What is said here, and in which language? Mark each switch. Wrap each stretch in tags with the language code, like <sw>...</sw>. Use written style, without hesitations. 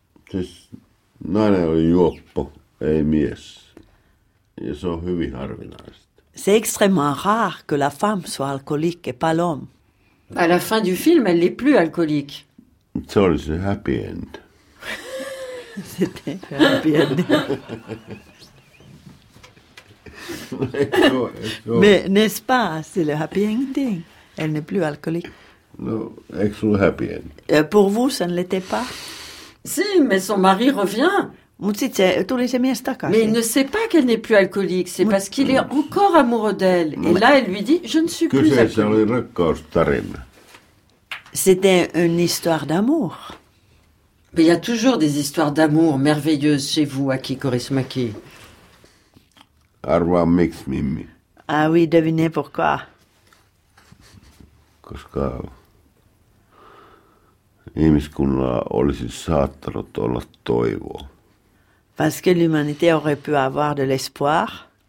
<fi>Siis nainen oli juoppo, ei mies. Ja se on hyvin harvinaista.</fi> <fr>C'est extrêmement rare que la femme soit alcoolique et pas l'homme. À la fin du film, elle n'est plus alcoolique.</fr> <en>So it's a happy end.</en> <fr>C'était un happy end. Mais n'est-ce pas, c'est le happy ending. Elle n'est plus alcoolique.</fr> <en>No, it's a happy end.</en> <fr>Pour vous, ça ne l'était pas? Si, mais son mari revient. Mais il ne sait pas qu'elle n'est plus alcoolique, c'est parce qu'il est encore amoureux d'elle. Et là, elle lui dit, je ne suis plus alcoolique. C'était une histoire d'amour. Mais il y a toujours des histoires d'amour merveilleuses chez vous, Aki Korismäki.</fr> <fi>Arva mix, Mimmi.</fi> <fr>Ah oui, devinez pourquoi.</fr> <fi>Koska ihmiskunnalla olisi saattanut olla toivoa.</fi> <fr>Parce que l'humanité aurait pu avoir de l'espoir.</fr>